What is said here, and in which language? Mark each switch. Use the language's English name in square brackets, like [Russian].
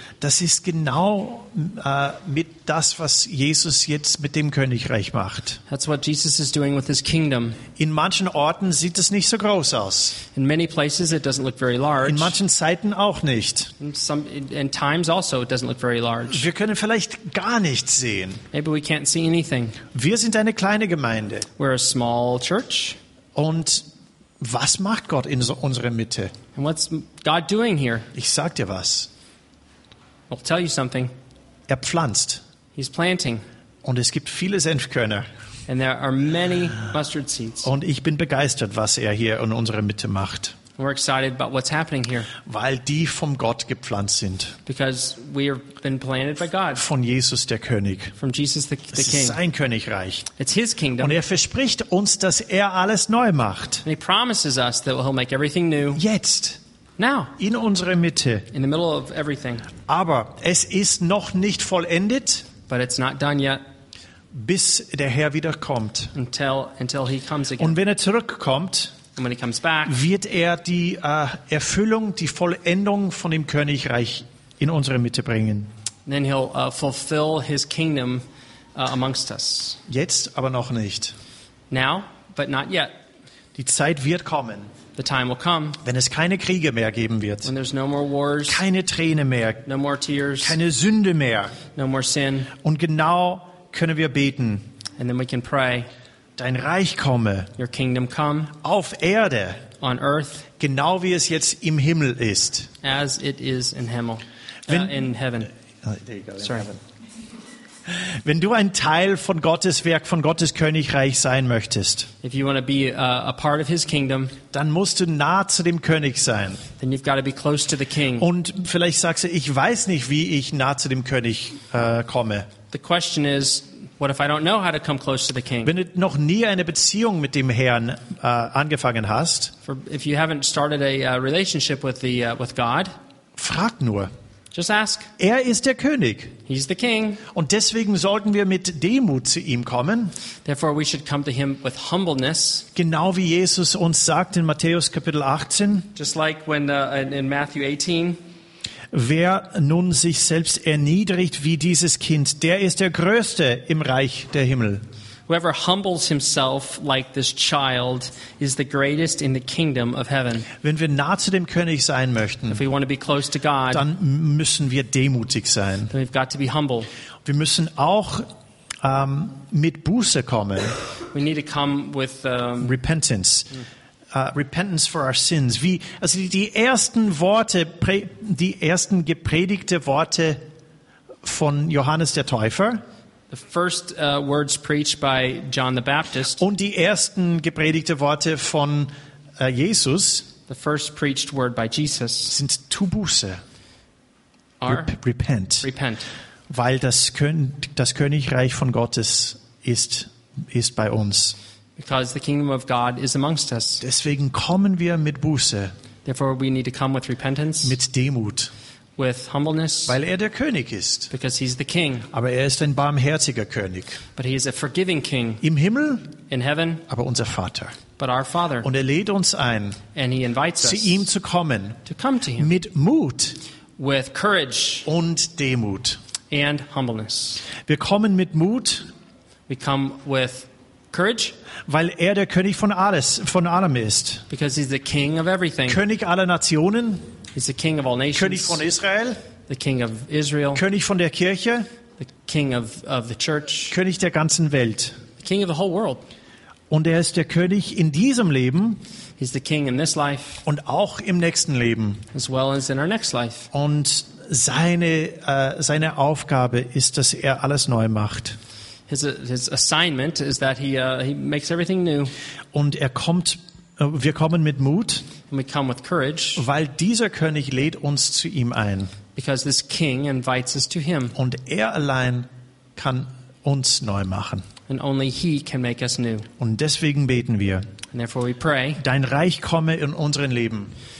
[German] Das ist genau mit das, was Jesus jetzt mit dem Königreich macht. [English] That's what Jesus is doing with his kingdom. [German] In manchen Orten sieht es nicht so groß aus. [English] In many places, it doesn't look very large. [German] In manchen Zeiten auch nicht. [English] In times also, it doesn't look very large. [German] Wir können vielleicht gar nichts sehen. [English] Maybe we can't see anything. [German] Wir sind eine kleine Gemeinde. [English] We're a small church. [German] Und was macht Gott in unserer Mitte? [English] And what's God doing here? [German] Ich sag dir was. [English] I'll tell you something. [German] Er pflanzt. [English] He's planting. [German] Und es gibt viele Senfkörner. [English] And there are many mustard seeds. [German] Und ich bin begeistert, was er hier in unserer Mitte macht. [English] We're excited about what's happening here. [German] Weil die vom Gott gepflanzt sind. [English] Because we have been planted by God. [German] Von Jesus der König. [English] From Jesus the King. [German] Es ist sein Königreich. [English] It's his kingdom. [German] Und er verspricht uns, dass er alles neu macht. [English] And he promises us that he'll make everything new. [German] Jetzt. [English] Now. [German] In unserer Mitte. [English] In the middle of everything. [German] Aber es ist noch nicht vollendet. [English] But it's not done yet. [German] Bis der Herr wiederkommt. [English] Until he comes again. [German] Und wenn er zurückkommt. [English] And when he comes back, [German] wird er die Erfüllung, die Vollendung von dem Königreich in unsere Mitte bringen. [English] Then he'll fulfill his kingdom amongst us. [German] Jetzt aber noch nicht. [English] Now, but not yet. [German] Die Zeit wird kommen. [English] The time will come. [German] Wenn es keine Kriege mehr geben wird. [English] When there's no more wars. [German] Keine Tränen mehr. [English] No more tears. [German] Keine Sünde mehr. [English] No more sin. [German] Und genau können wir beten. [English] And then we can pray. [German] Dein Reich komme. [English] Your kingdom come. [German] Auf Erde. [English] On earth. [German] Genau wie es jetzt im Himmel ist. [English] As it is in Himmel. [German] Wenn, [English] in heaven. Sorry. [German] Wenn du ein Teil von Gottes Werk, von Gottes Königreich sein möchtest, [English] if you want to be a part of his kingdom, [German] dann musst du nah zu dem König sein. [English] Then you've got to be close to the king. [German] Und vielleicht sagst du, ich weiß nicht, wie ich nah zu dem König komme. [English] The question is, what if I don't know how to come close to the king? [German] Wenn du noch nie eine Beziehung mit dem Herrn angefangen hast, [English] if you haven't started a relationship with the with God, [German] frag nur. [English] Just ask. [German] Er ist der König. [English] He's the king. [German] Und deswegen sollten wir mit Demut zu ihm kommen. [English] Therefore we should come to him with humbleness. [German] Genau wie Jesus uns sagt in Matthäus Kapitel 18. [English] Just like when in Matthew 18. [German] Wer nun sich selbst erniedrigt wie dieses Kind, der ist der Größte im Reich der Himmel. [English] Whoever humbles himself like this child is the greatest in the kingdom of heaven. [German] Wenn wir nah zu dem König sein möchten, [English] if we want to be close to God, [German] dann müssen wir demütig sein. [English] Then we've got to be humble. [German] Wir müssen auch mit Buße kommen. [English] We need to come with repentance. Repentance for our sins. [German] Wie, also die ersten Worte, die ersten gepredigte Worte von Johannes der Täufer. [English] The first words preached by John the Baptist. [German] Und die ersten gepredigte Worte von Jesus. [English] The first preached word by Jesus. [German] Sind tu Buße. [English] Repent. Repent. [German] Weil das Königreich von Gottes ist bei uns. [English] Because the kingdom of God is amongst us. [German] Deswegen kommen wir mit Buße. [English] Therefore we need to come with repentance. [German] Mit Demut. [English] With humbleness. [German] Weil er der König ist. [English] Because he's the king. [German] Aber er ist ein barmherziger König. [English] But he is a forgiving king. [German] Im Himmel. [English] In heaven. [German] Aber unser Vater. [English] But our Father. [German] Und er lädt uns ein. [English] And he invites [German] zu ihm zu kommen. [English] To come to him. [German] Mit Mut. [English] With courage. [German] Und Demut. [English] And humbleness. [German] Wir kommen mit Mut. [English] We come with courage, [German] weil er der König von alles, von allem ist. [English] Because he's the king of everything. [German] König aller Nationen. [English] He's the king of all nations. [German] König von Israel. [English] The king of Israel. [German] König von der Kirche. [English] The king of the church. [German] König der ganzen Welt. [English] The king of the whole world. [German] Und er ist der König in diesem Leben. [English] He's the king in this life. [German] Und auch im nächsten Leben. [English] As well as in our next life. [German] Und seine Aufgabe ist, dass er alles neu macht. [English] His assignment is that he makes everything new. [German] Und er kommt, wir kommen mit Mut, [English] and we come with courage, [German] weil dieser König lädt uns zu ihm ein. [English] Because this king invites us to him. [German] Und er allein kann uns neu machen. [English] And only he can make us new. [German] Und deswegen beten wir. [English] And therefore we pray. [German] Dein Reich komme in unseren Leben.